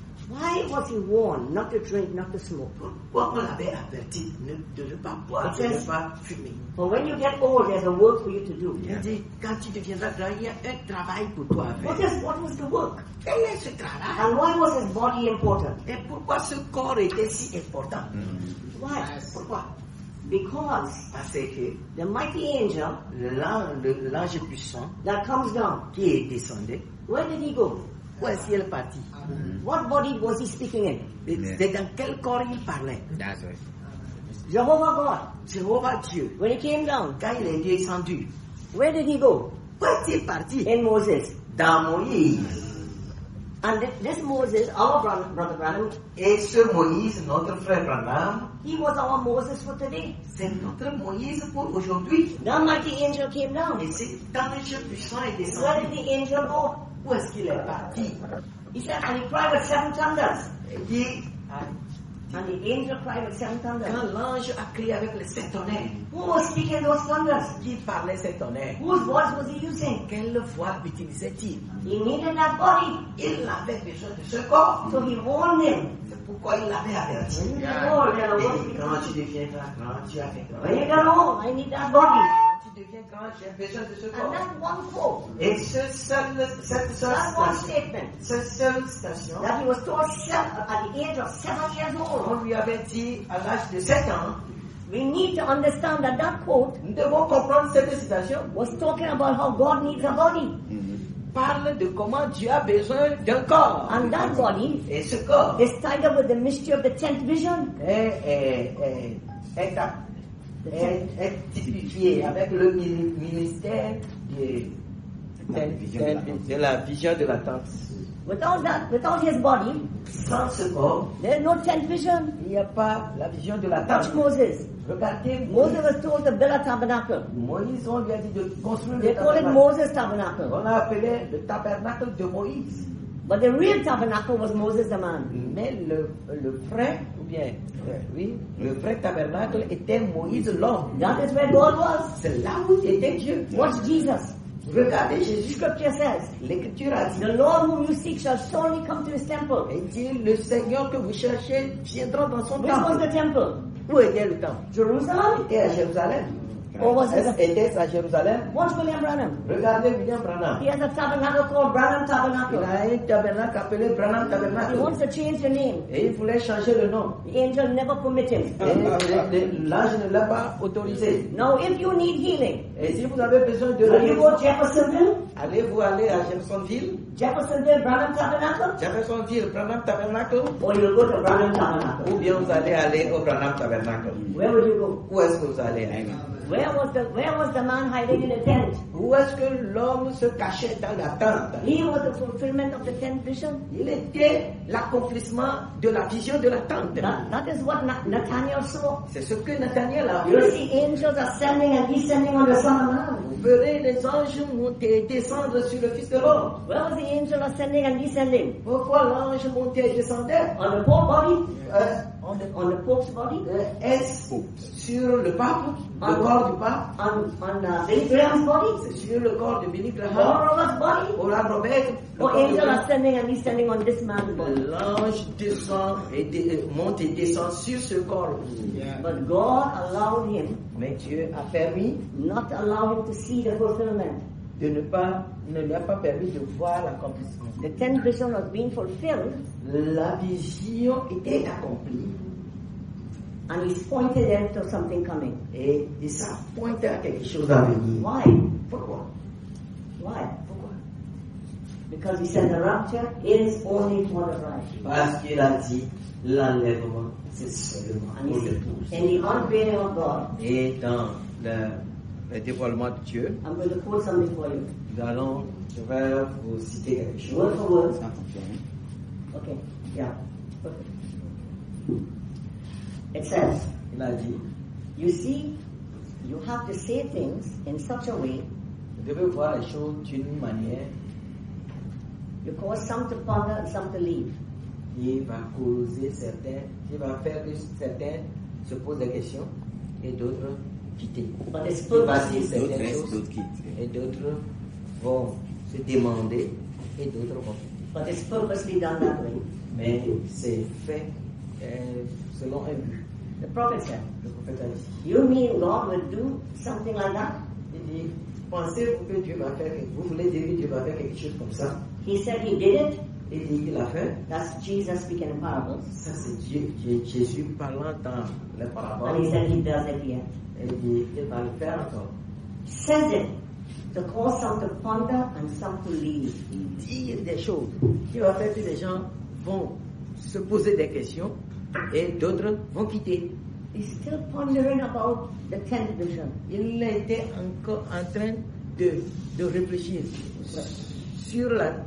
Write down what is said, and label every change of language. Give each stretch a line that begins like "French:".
English: Why was he warned not to drink, not to smoke?
French: Pourquoi on l'avait averti de ne pas boire, de ne pas fumer?
English: For when you get old, there's a work for you to do.
French: Il dit, quand tu deviendras grand, il y a un travail pour toi.
English: What was the work?
French: Quel est ce travail?
English: And why was his body important?
French: Et pourquoi ce corps était si important?
English: Why?
French: Pourquoi?
English: Because
French: parce que
English: the mighty angel,
French: l'ange puissant,
English: that comes down,
French: qui est descendu,
English: where did he go?
French: Où est-ce qu'il est parti?
English: What body was he speaking in?
French: C'est dans quel corps il parlait?
English: That's right. Jehovah God,
French: Jehovah Dieu.
English: When he came down,
French: quand il est descendu,
English: where did he go?
French: Où est-il parti?
English: In Moses,
French: dans Moïse.
English: And this Moses, our brother Branham,
French: et ce Moïse, notre frère Branham,
English: he was our Moses for today.
French: C'est notre Moïse pour aujourd'hui.
English: The mighty angel came down.
French: Et c'est quand l'ange puissant est descendu.
English: Where did the angel go?
French: Où est-ce qu'il est parti?
English: He said, and he cried with seven thunders. And the angel cried with seven thunders.
French: Quand l'ange a crié avec les sept tonnerres.
English: Who was speaking those thunders?
French: Qui parlait ces tonnerres?
English: Whose voice was he using?
French: Quelle voix utilisait-il?
English: He needed that body.
French: Il avait besoin de ce corps.
English: So he warned him.
French: C'est pourquoi il l'avait averti.
English: I need that body.
French: Quand j'ai besoin de ce corps.
English: And that one quote.
French: Et cette seule station.
English: That he was told at the age of 7 years old.
French: On lui avait dit à l'âge de 7 ans.
English: We need to understand that that quote.
French: Nous devons comprendre cette citation.
English: Was talking about how God needs a body.
French: Parle de comment Dieu a besoin d'un corps.
English: And that body.
French: Et ce corps.
English: Is tied up with the mystery of the tenth vision.
French: Est typifié avec le ministère de la vision de l'attente.
English: Without his body,
French: sans ce corps,
English: there is no tenth vision.
French: Il n'y a pas la vision de l'attente.
English: Touch Moses.
French: Regardez.
English: Moses was told to build a tabernacle.
French: Moïse, on lui a dit de construire.
English: They call it Moses' tabernacle.
French: On a appelé le tabernacle de Moïse.
English: But the real tabernacle was Moses the man.
French: Mais le vrai, ou bien, oui, le vrai tabernacle était Moïse l'homme.
English: That is where God was.
French: C'est là où était Dieu.
English: Watch Jesus.
French: Regardez Jésus.
English: Scripture says.
French: L'écriture a dit.
English: The Lord whom you seek shall surely come to his temple.
French: Et dit, le Seigneur que vous cherchez viendra dans son temple.
English: Which was the temple?
French: Où était le temple?
English: Jerusalem.
French: Était à Jérusalem.
English: Or was it a Jerusalem? Watch William Branham.
French: Regardez William Branham.
English: He has a tabernacle called Branham Tabernacle.
French: Il a un tabernacle appelé Branham Tabernacle.
English: He wants to change the name.
French: Et il voulait changer le nom.
English: The angel never permitted.
French: L'ange ne l'a pas autorisé.
English: Now, if you need healing,
French: et si vous avez besoin de la guérison, allez-vous à Jeffersonville? Allez-vous aller à Jeffersonville?
English: Jeffersonville, Branham Tabernacle?
French: Jeffersonville, Branham Tabernacle?
English: Or you go to Branham Tabernacle?
French: Ou bien vous allez aller au Branham Tabernacle?
English: Where would you go?
French: Où est-ce que vous allez? Amen.
English: Where was the man hiding in the tent?
French: Où est-ce que l'homme se cachait dans la tente?
English: He was the fulfillment of the tenth vision.
French: Il était l'accomplissement de la vision de la tente.
English: That is what Nathaniel saw.
French: C'est ce que Nathaniel a vu.
English: You see angels ascending and descending on the Son of Man.
French: Vous verrez les anges monter et descendre sur le Fils de l'homme.
English: Where was the angel ascending and descending?
French: Pourquoi l'ange montait et descendait?
English: On the poor body? On the Pope's body?
French: Sur le pape? Le corps du pape?
English: On Billy Graham's body?
French: C'est sur le corps de Billy Graham.
English: Or Robert's body? Or Robert? Or angel ascending and descending on this man's body?
French: L'ange descend et monte et descend sur ce corps.
English: Yeah. But God allowed him.
French: Mais Dieu a permis.
English: Not allow him to see the fulfillment.
French: De ne pas, ne lui a pas permis de voir l'accomplissement.
English: The tenth vision was being fulfilled.
French: La vision était accomplie.
English: And he's pointed them to something coming.
French: Et il s'est pointé à quelque chose à venir.
English: Why?
French: Pourquoi?
English: Why? Because he said the rapture is only for the bride.
French: Parce qu'il a dit l'enlèvement, c'est seulement pour l'épouse.
English: And the unveiling of God.
French: Et dans le dévoilement de Dieu.
English: I'm going to quote something for you.
French: Allons, je vais vous citer quelque chose.
English: Word for word. Okay. Yeah. Perfect. It says.
French: Il a dit.
English: You see, you have to say things in such a way.
French: Vous devez voir les choses d'une manière.
English: You cause some to ponder and some to leave.
French: Il va causer certains, il va faire que certains se posent des questions et d'autres. Quitter.
English: But it's purposely done that way. But it's purposely done that way.
French: Mais c'est fait selon un but.
English: The prophet said.
French: Le prophète a dit.
English: You mean God will do something like that?
French: Il dit, pensez-vous que Dieu va faire? Vous voulez dire que Dieu va faire quelque chose comme ça?
English: He said he did it.
French: Et dit qu'il a fait.
English: That's Jesus speaking in parables.
French: Ça c'est Dieu, Jésus parlant dans les paraboles.
English: And he said he does it here.
French: Et dit il va le faire encore.
English: Says it. To cause some to ponder and some to leave.
French: Il dit des choses qui va faire que les gens vont se poser des questions et d'autres vont quitter.
English: He's still pondering about the tenth vision.
French: Il était encore en train de réfléchir. Sur la,